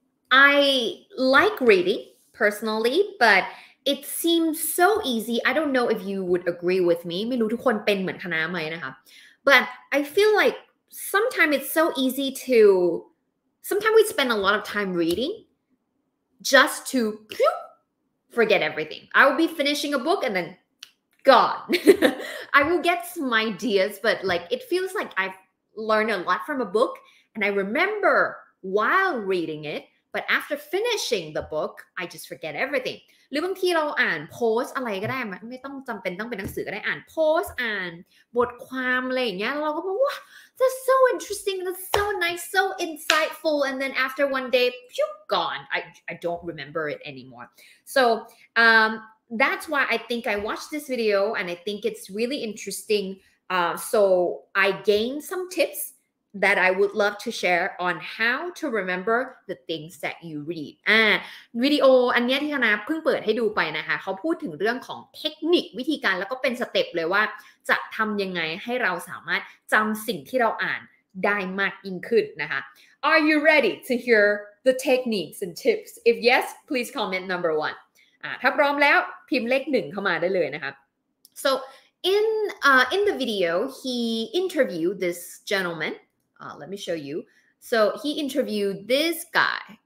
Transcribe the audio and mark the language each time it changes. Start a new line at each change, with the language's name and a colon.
English: I like reading personally, but it seems so easy. I don't know if you would agree with me.
Thai: ไม่รู้ทุกคนเป็นเหมือนคณะไหมนะคะ
English: But I feel like sometimes it's so easy to... Sometimes we spend a lot of time reading just to forget everything. I will be finishing a book and then gone. I will get some ideas, but like it feels like I've learned a lot from a book and I remember while reading it. But after finishing the book, I just forget everything.
Thai: หรือบางทีเราอ่านโพสอะไรก็ได้ไม่ต้องจำเป็นต้องเป็นหนังสือก็ได้อ่านโพสอ่านบทความอะไรอย่างเงี้ยเราก็บอกว่า
English: that's so interesting, that's so nice, so insightful. And then after one day, gone. I don't remember it anymore. So that's why I think I watched this video and I think it's really interesting. So I gained some tips. That I would love to share on how to remember the things that you read.
Thai: วิดีโออันนี้ที่คณะเพิ่งเปิดให้ดูไปนะคะเขาพูดถึงเรื่องของเทคนิควิธีการแล้วก็เป็นสเต็ปเลยว่าจะทำยังไงให้เราสามารถจำสิ่งที่เราอ่านได้มากยิ่งขึ้นนะคะ
English: Are you ready to hear the techniques and tips? If yes, please comment number one.
Thai: ถ้าพร้อมแล้วพิมพ์เลข1เข้ามาได้เลยนะคะ
English: So in the video, he interviewed this gentleman. Let me show you. So he interviewed this guy.